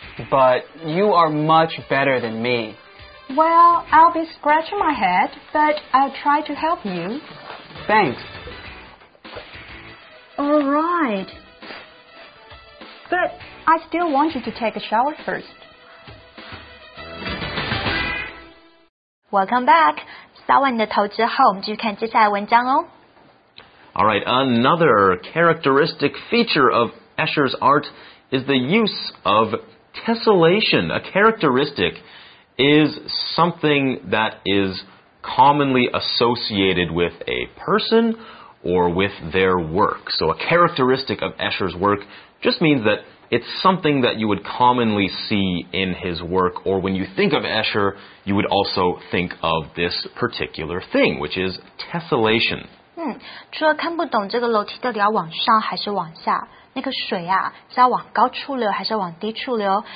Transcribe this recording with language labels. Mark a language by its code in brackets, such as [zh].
[en] But you are much better than me. Well, I'll be scratching my head, but I'll try to help you. Thanks. All right. But I still want you to take a shower first. Welcome back. [zh] 扫完你的头之后，我们继续看接下来文章哦。 [en] All right, another characteristic feature of Escher's art is the use of tessellation. A characteristic is something that is commonly associated with a person or with their work. So a characteristic of Escher's work just means that it's something that you would commonly see in his work, or when you think of Escher, you would also think of this particular thing, which is tessellation. [zh] 除了看不懂这个楼梯到底要往上还是往下，那个水啊，是要往高处流还是往低处流？